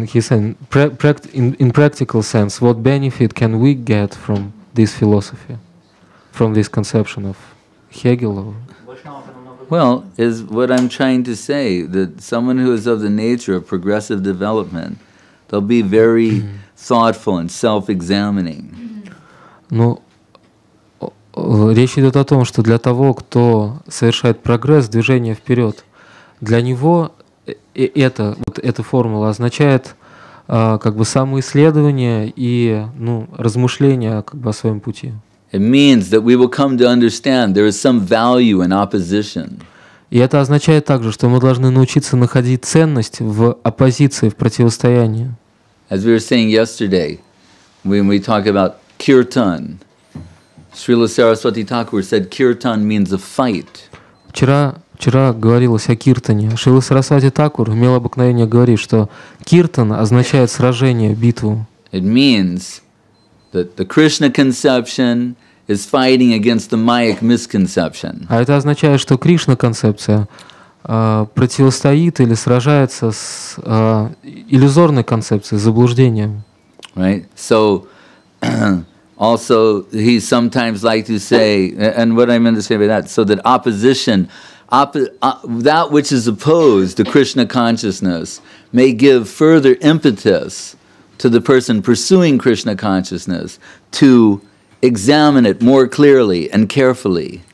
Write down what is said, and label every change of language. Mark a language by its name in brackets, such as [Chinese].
[English] In practical sense, what benefit can we get from this philosophy, from this conception of Hegel? Well, is what I'm trying to say, that someone who is of the nature of progressive development, they'll be very thoughtful and self-examining. [Russian] Ну, речь идет о том, что для того, кто совершает прогресс, движение вперед, для него эта формула означает как бы самоисследование и ну, размышление как бы, о своем пути. [English] It means that we will come to understand there is some value in opposition. [Russian] И это означает также, что мы должны научиться находить ценность в оппозиции, в противостоянии. [English] As we were saying yesterday, when we talk about kirtan, Srila Saraswati Thakur said kirtan means a fight. [Russian] Вчера говорилось о киртане. Шрила Сарасвати Такур имел обыкновение говорить, что киртан означает сражение, битву. [English] It means that the Krishna conception is fighting against the mayic misconception. [Russian] А это означает, что Кришна концепция противостоит или сражается с иллюзорной концепцией, заблуждением. [English] Right. So also he sometimes like to say, and what I meant to say by that, so that opposition, that which is opposed to Krishna consciousness, may give further impetus to the person pursuing Krishna consciousness to examine it more clearly and carefully.